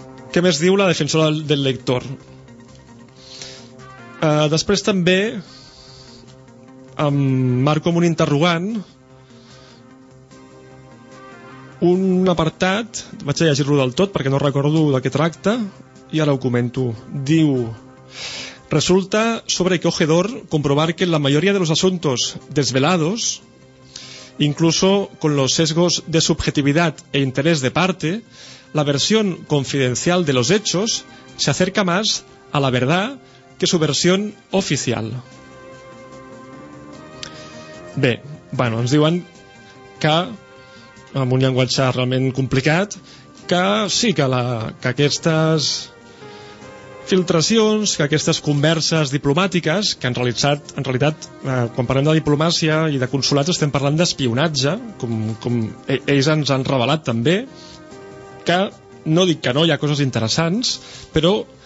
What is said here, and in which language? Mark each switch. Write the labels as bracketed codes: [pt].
[ca] Què més diu la defensora del lector? Després també em marco amb un interrogant un apartat, vaig a llegir-lo del tot perquè no recordo de què tracta, i ara ho comento. [es] Diu: resulta sobrecogedor comprovar que en la mayoría de los asuntos desvelados, incluso con los sesgos de subjetividad e interés de parte, la versión confidencial de los hechos se acerca más a la verdad que su versión oficial. [ca] Bé, bueno, ens diuen que, amb un llenguatge realment complicat, que sí, que aquestes filtracions, que aquestes converses diplomàtiques, que han realitzat, en realitat, quan parlem de diplomàcia i de consulats estem parlant d'espionatge, com ells ens han revelat també, que no dic que no, hi ha coses interessants, però